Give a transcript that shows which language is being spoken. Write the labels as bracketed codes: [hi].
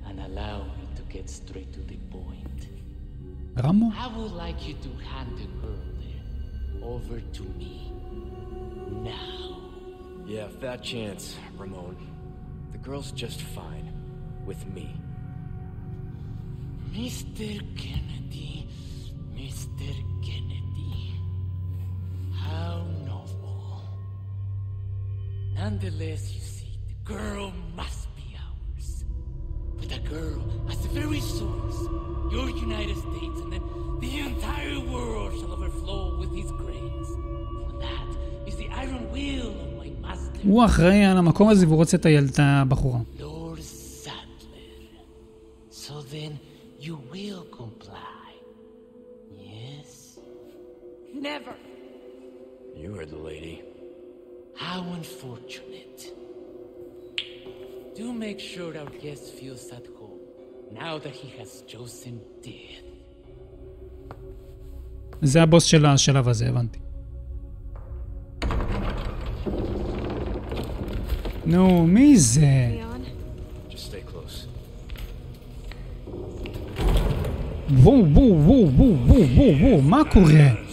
[en] אנלאו מי טו גט סטריט טו די פוינט. Ramo? I would like you to hand the girl there over to me now. Yeah, fat chance, Ramon. The girl's just fine with me. Mr. Kennedy, Mr. Kennedy. How noble. Nonetheless, you see, the girl must be ours. But the girl has the very source. Your United States and then the entire world shall overflow with his grains. For that is the iron will of my master. [he] הוא אחראי על המקום הזה והוא רוצה את הילדה הבחורה. [en] Lord Sadler. So then you will comply. Yes? Never. You are the lady. How unfortunate. Do make sure our guest feels at home. Now that he has chosen death. [he] זה הבוס של השלב הזה, הבנתי. נו, מי זה? [en] Just stay close. [he] וואו, וואו, וואו, וואו, וואו, וואו, מה קורה?